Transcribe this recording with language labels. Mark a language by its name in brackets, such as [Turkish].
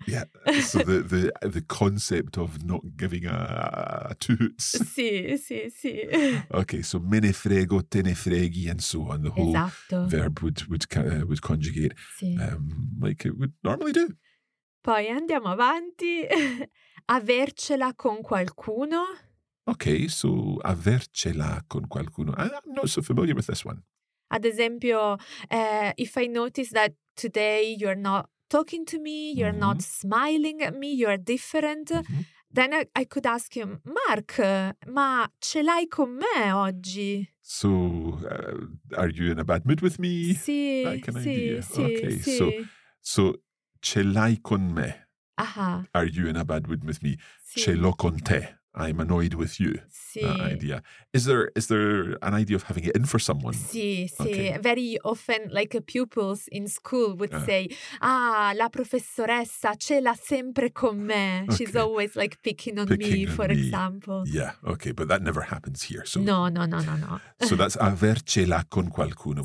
[English] Yeah, so the concept of not giving a two hoots. [Italian] Sì, sì, sì. [English] Okay, so me ne frego, te ne freghi, and so on. The whole verb would conjugate like it would normally do. [Italian] Poi andiamo avanti. Avercela con qualcuno. Okay, so avercela con qualcuno. [English] I'm not so familiar with this one. [Italian] Ad esempio, [English] if I notice that today you're not talking to me, you're not smiling at me, you're different... Mm-hmm. Then I could ask him, Mark, [Italian] ma ce l'hai con me oggi? [English] So, are you in a bad mood with me? Sì, that kind of idea. Okay, [Italian] sì. So, ce l'hai con me? Aha. [English] Are you in a bad mood with me? [Italian] Sì. Ce l'ho con te. [English] I'm annoyed with you. [Italian] Sì. [English] That idea. Is there an idea of having it in for someone? Sì, sì. Okay. Very often, like pupils in school would say, [Italian] la professoressa ce l'ha sempre con me. [English] Okay. She's always like picking on me, for example. Yeah, okay. But that never happens here. So. No. So that's avercela con qualcuno.